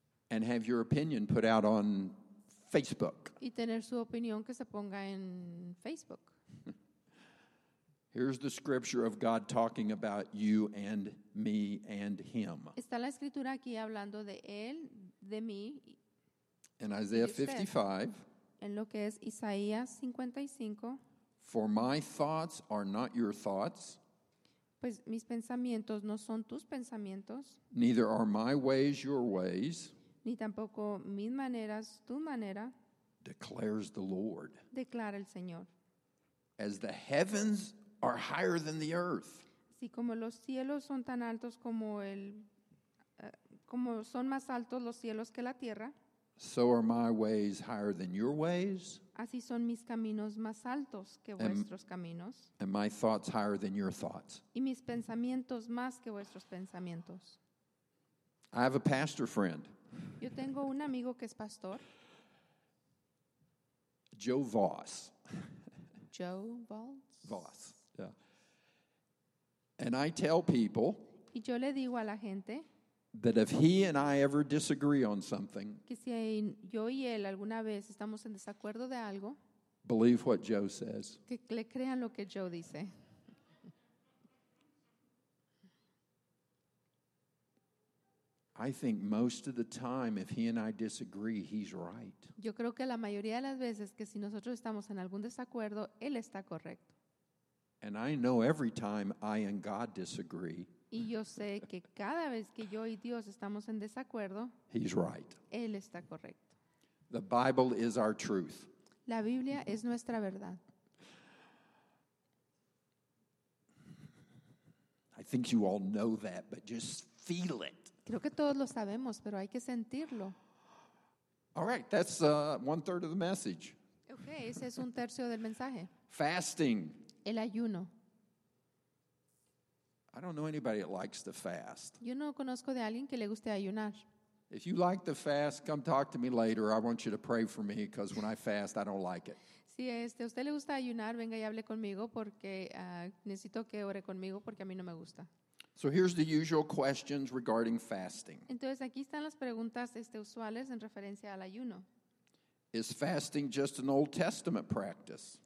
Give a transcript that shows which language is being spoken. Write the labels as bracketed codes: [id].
[en] And have your opinion put out on Facebook. [es] Y tener su opinión que se ponga en Facebook. [en] Here's the scripture of God talking about you and me and him. [es] Está la escritura aquí hablando de él, de mí. [en] In Isaiah 55. [es] En lo que es Isaías 55. [en] For my thoughts are not your thoughts. [es] Pues mis pensamientos no son tus pensamientos. [en] Neither are my ways your ways. [es] Ni tampoco mis maneras tu manera. [en] Declares the Lord. [es] Declara el Señor. [en] As the heavens are higher than the earth. [es] Sí, como los cielos son tan altos como como son más altos los cielos que la tierra. [en] So are my ways higher than your ways. [es] Así son mis caminos más altos que vuestros caminos. [en] And my thoughts higher than your thoughts. [es] Y mis pensamientos más que vuestros pensamientos. [en] I have a pastor friend. [es] Yo tengo un amigo que es pastor. [en] Joe Voss. Joe Voss. Voss. Yeah. And I tell people, [es] y yo le digo a la gente, [en] that if he and I ever disagree on something, [es] que si yo y él alguna vez estamos en desacuerdo de algo, [en] believe what Joe says. [es] Que le crean lo que Joe dice. [en] I I think most of the time, if he and I disagree, he's right. [es] Yo creo que la mayoría de las veces que si nosotros estamos en algún desacuerdo, él está correcto. [en] And I know every time I and God disagree. [es] Y yo sé que cada vez que yo y Dios estamos en desacuerdo, [en] he's right. [es] Él está correcto. [en] The Bible is our truth. [es] La Biblia es nuestra verdad. [en] I think you all know that, but just feel it. [es] Creo que todos lo sabemos, pero hay que sentirlo. [en] All right, that's one third of the message. [es] Okay, ese es un tercio del mensaje. [en] Fasting. [es] El ayuno. [en] I don't know anybody that likes to fast. [es] Yo no conozco de alguien que le guste ayunar. [en] If you like to fast, come talk to me later. I want you to pray for me because when I fast, I don't like it. [es] Si a usted le gusta ayunar, venga y hable conmigo porque necesito que ore conmigo porque a mí no me gusta. [en] So here's the usual questions regarding fasting. [es] Entonces aquí están las preguntas usuales en referencia al ayuno. [en] Is fasting just an Old Testament practice?